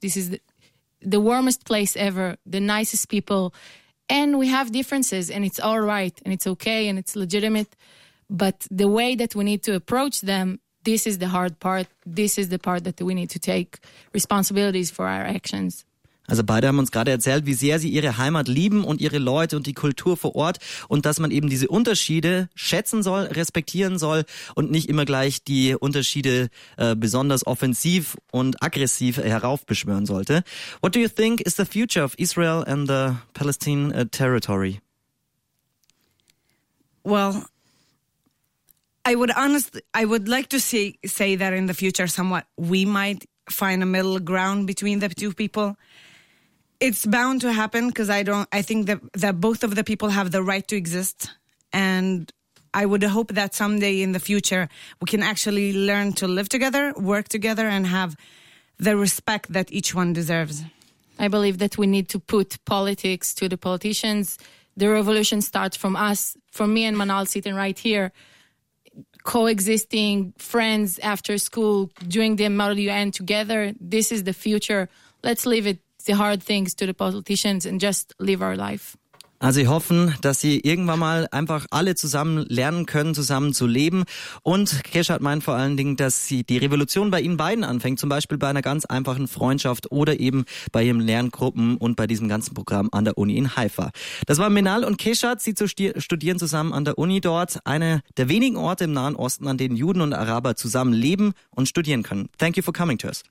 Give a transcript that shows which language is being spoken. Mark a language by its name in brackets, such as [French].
[English] This is the warmest place ever, the nicest people. And we have differences, and it's all right, and it's okay, and it's legitimate. But the way that we need to approach them, this is the hard part. This is the part that we need to take responsibilities for our actions. [German] Also beide haben uns gerade erzählt, wie sehr sie ihre Heimat lieben und ihre Leute und die Kultur vor Ort und dass man eben diese Unterschiede schätzen soll, respektieren soll und nicht immer gleich die Unterschiede besonders offensiv und aggressiv heraufbeschwören sollte. [English] What do you think is the future of Israel and the Palestine territory? Well, I would like to say that in the future somewhat we might find a middle ground between the two people. It's bound to happen because I think that both of the people have the right to exist. And I would hope that someday in the future we can actually learn to live together, work together, and have the respect that each one deserves. I believe that we need to put politics to the politicians. The revolution starts from us, from me and Manal sitting right here, coexisting, friends after school, doing the Model UN together. This is the future. Let's leave it. The hard things to the politicians and just live our life. [German] Also sie hoffen, dass sie irgendwann mal einfach alle zusammen lernen können, zusammen zu leben. Und Keshat meint vor allen Dingen, dass sie die Revolution bei ihnen beiden anfängt, zum Beispiel bei einer ganz einfachen Freundschaft oder eben bei ihren Lerngruppen und bei diesem ganzen Programm an der Uni in Haifa. Das waren Menal und Keshat, sie studieren zusammen an der Uni dort, einer der wenigen Orte im Nahen Osten, an denen Juden und Araber zusammen leben und studieren können. [English] Thank you for coming to us.